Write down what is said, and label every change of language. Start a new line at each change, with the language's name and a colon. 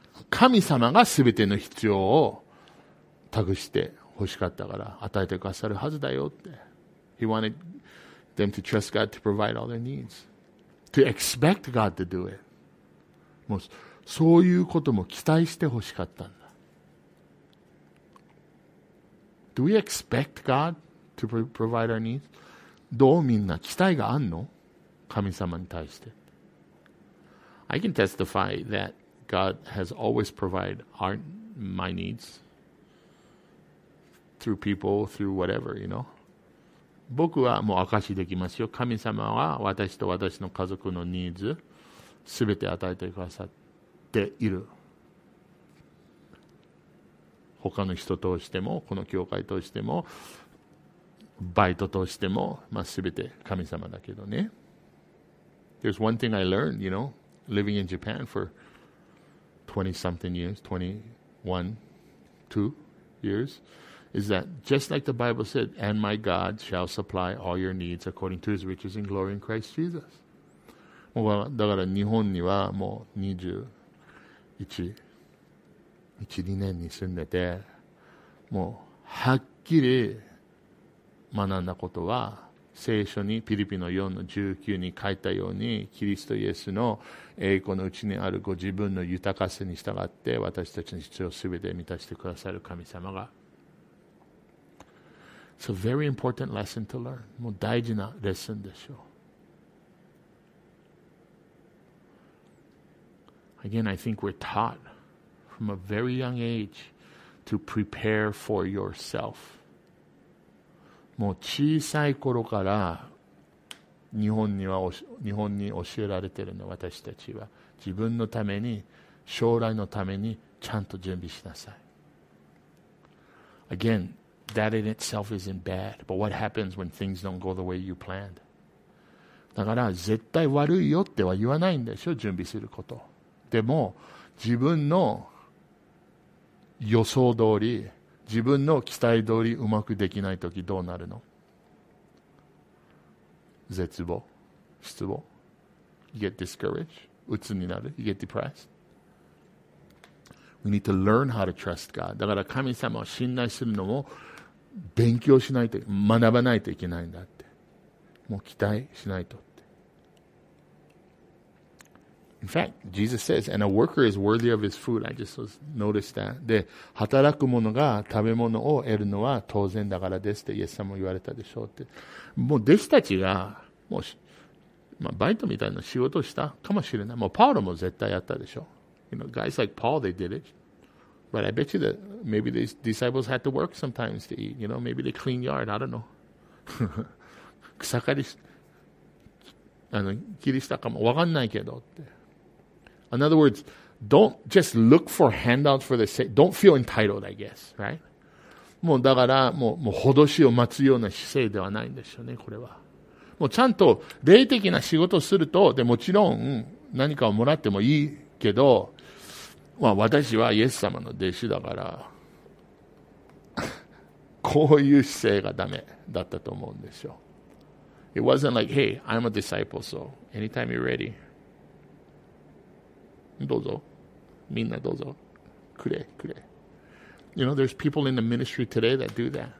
Japanese: 神様が全ての必要を託して欲しかったから与えてくださるはずだよって。
English: He wanted them to trust God to provide all their needs. To expect God to do it.
Japanese: もうそういうことも期待してほしかったんだ。
English: Do we expect God to provide our needs?
Japanese: どうみんな期待があんの？神様に対して。
English: I can testify that God has always provided aren't my needs through people, through whatever, you know.
Japanese: 僕はもう証しできますよ。神様は私と私の家族のニーズ全て与えてくださっている。他の人通してもこの教会通してもバイト通しても、まあ、全て神様だけどね。
English: There's one thing I learned, you know, living in Japan for 20 something years, 21, 2 years, is that just like the Bible said, and my God shall supply all your needs according to his riches in glory in Christ Jesus.
Japanese: もうだから日本にはもう21、22年に住んでて、もうはっきり学んだことは、聖書にピリピの4の19に書いたように、キリストイエスの栄光のうちにあるご自分の豊かさに従って、私たちの必要すべて満たしてくださる神様が。
English: It's a very important lesson to learn.
Japanese: もう大事なレッスンでしょう。
English: Again, I think we're taught from a very young age to prepare for yourself.
Japanese: もう小さい頃から日本には日本に教えられてるの、私たちは自分のために、将来のためにちゃんと準備しなさい。
English: Again, that in itself isn't bad, but what happens when things don't go the way you planned?
Japanese: だから絶対悪いよっては言わないんでしょ、準備すること。でも自分の予想通り、自分の期待通りうまくできないときどうなるの？絶望、失望、
English: you get discouraged、
Japanese: 鬱になる、
English: you get depressed。 We need to learn how to trust God。
Japanese: だから神様を信頼するのも勉強しないと、学ばないといけないんだって。もう期待しないとって。
English: In fact, Jesus says, and a worker is worthy of his food. I just noticed that.
Japanese: で、働く者が食べ物を得るのは当然だからですって、イエス様も言われたでしょうって。もう弟子たちが、もう、まあ、バイトみたいな仕事をしたかもしれない。もう、パウロも絶対やったでしょう。
English: You know, guys like Paul, they did it. But I bet you that maybe these disciples had to work sometimes to eat. You know, maybe they clean yard. I don't know.
Japanese: 草刈り、あの、切りしたかも。わかんないけどって。
English: In other words, don't just look for handouts for the sake. Don't feel entitled, I guess, right?
Japanese: もうだから、もう、ほどしを待つような姿勢ではないんでしょうね、これは。もうちゃんと、霊的な仕事をすると、で、もちろん、何かをもらってもいいけど、まあ、私はイエス様の弟子だから、こういう姿勢がダメだったと思うんですよ。
English: It wasn't like, hey, I'm a disciple, so anytime you're ready.
Japanese: どうぞ、みんなどうぞ、くれくれ。
English: You know, there's people in the ministry today that do that.